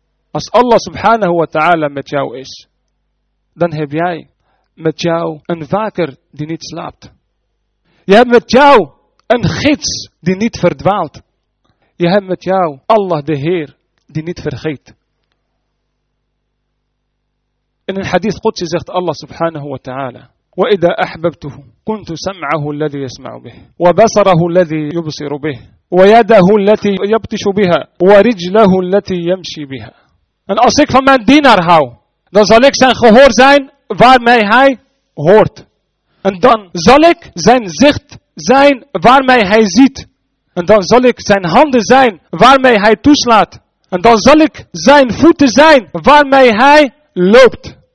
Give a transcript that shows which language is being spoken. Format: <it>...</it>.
<nl>Als Allah subhanahu wa ta'ala met jou is, dan heb jij met jou een waker die niet slaapt. Je hebt met jou een gids die niet verdwaalt. Je hebt met jou Allah de Heer die niet vergeet. In een hadith Qudsi zegt Allah subhanahu wa ta'ala,</nl> <ar>وَإِذَا أَحْبَبْتُهُ كُنْتُ سَمْعَهُ الَّذِي يَسْمَعُ بِهِ وَبَصَرَهُ الَّذِي يُبْصِرُ بِهِ وَيَدَهُ الَّتِي يَبْتِشُ بِهَا وَرِجْلَهُ الَّتِي يَمْشِي بِهَا.</ar> <nl>En als ik van mijn dienaar hou, dan zal ik zijn gehoor zijn waarmee hij hoort. En dan zal ik zijn zicht zijn waarmee hij ziet. En dan zal ik zijn handen zijn waarmee hij toeslaat. En dan zal ik zijn voeten zijn waarmee hij loopt.</nl>